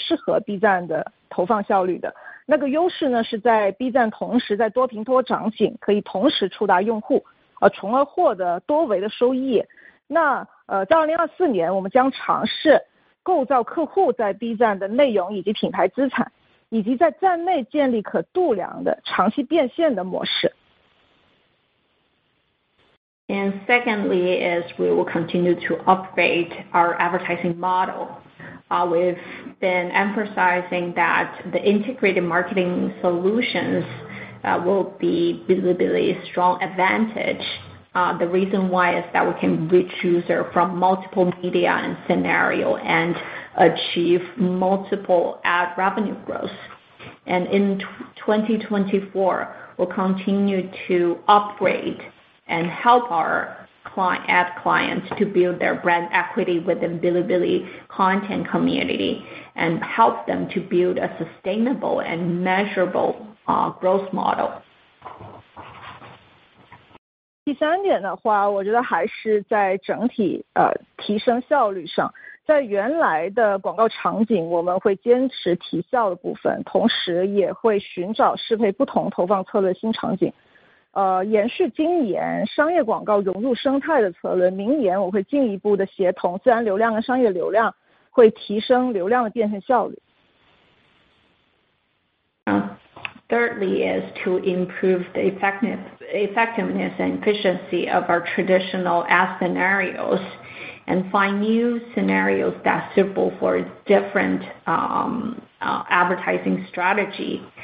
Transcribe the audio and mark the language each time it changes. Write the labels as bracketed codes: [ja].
[zh] 此前几个Q我都反复提到整合营销的方法论是最适合B站的投放效率的。那个优势呢是在B站同时在多屏多场景， 可以同时触达用户， 从而获得多维的收益。那在2024年， 我们将尝试构造客户在B站的内容以及品牌资产， 以及在站内建立可度量的长期变现的模式。 [en] And secondly is we will continue to upgrade our advertising model. We've been emphasizing that the integrated marketing solutions will be Bilibili's strong advantage. The reason why is that we can reach users from multiple media and scenario and achieve multiple ad revenue growth. And in 2024, we'll continue to upgrade and help our ad clients to build their brand equity within Bilibili content community and help them to build a sustainable and measurable growth model. [zh] 第三点的话，我觉得还是在整体提升效率上。在原来的广告场景，我们会坚持提效的部分，同时也会寻找适配不同投放策略新场景。延续今年商业广告融入生态的策略，明年我会进一步的协同自然流量跟商业流量，会提升流量的变现效率。 [en] Thirdly is to improve the effectiveness and efficiency of our traditional ad scenarios and find new scenarios that are suitable for different advertising strategy.